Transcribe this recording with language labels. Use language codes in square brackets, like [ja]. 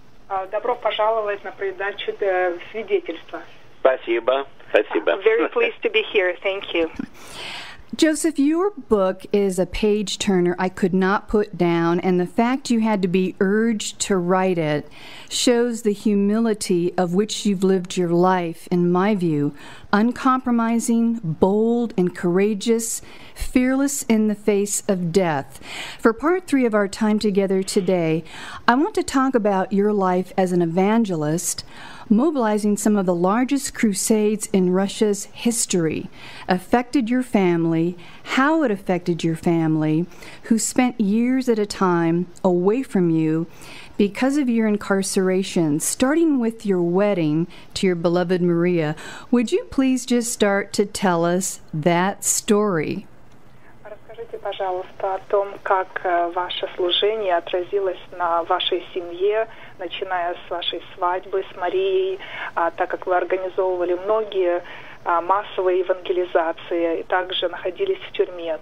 [ru] Добро пожаловать на передачу свидетельства. Спасибо. [en] I'm very pleased to be here. Thank you. Joseph, your book is a page-turner I could not put down, and the fact you had to be urged to write it shows the humility of which you've lived your life, in my view, uncompromising, bold, and courageous, fearless in the face of death. For part three of our time together today, I want to talk about your life as an evangelist, mobilizing some of the largest crusades in Russia's history, affected your family, how it affected your family, who spent years at a time away from you because of your incarceration, starting with your wedding to your beloved Maria. Would you please just start to tell us that story? [ru] Расскажите, пожалуйста, о том, как ваше служение отразилось на вашей семье, начиная с вашей свадьбы с Марией, так как вы организовывали многие массовые евангелизации и также находились в тюрьме.